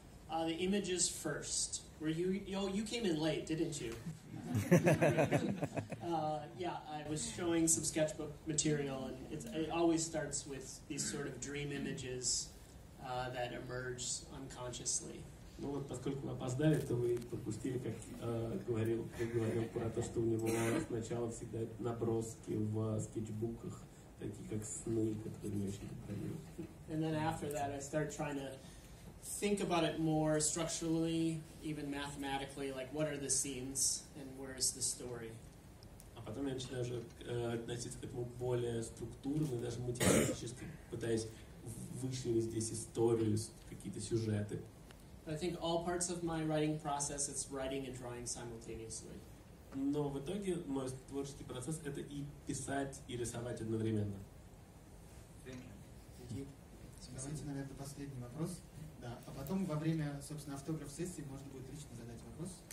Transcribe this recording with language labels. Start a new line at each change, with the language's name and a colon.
English: The images first. Were you? You came in late, didn't you? yeah, I was showing some sketchbook material, and it always starts with these sort of dream images that emerge unconsciously.
Russian: Ну вот, поскольку вы опоздали, то вы пропустили, как говорил про то, что у него сначала всегда наброски в скетчбуках, такие как сны, которые не очень понимаю.
English: And then after that I start trying to think about it more structurally, even mathematically, like what are the scenes and where is the story.
Russian: А потом я начинаю уже относиться к этому более структурно, даже математически пытаясь вычленить здесь историю, какие-то сюжеты.
English: I think all parts of my writing process, it's writing and drawing simultaneously.
Russian: Но в итоге мой творческий процесс это и писать, и рисовать одновременно.
English: Thank you.
Russian: Давайте, наверное, последний вопрос. Да. А потом во время, собственно, автограф-сессии можно будет лично задать вопрос.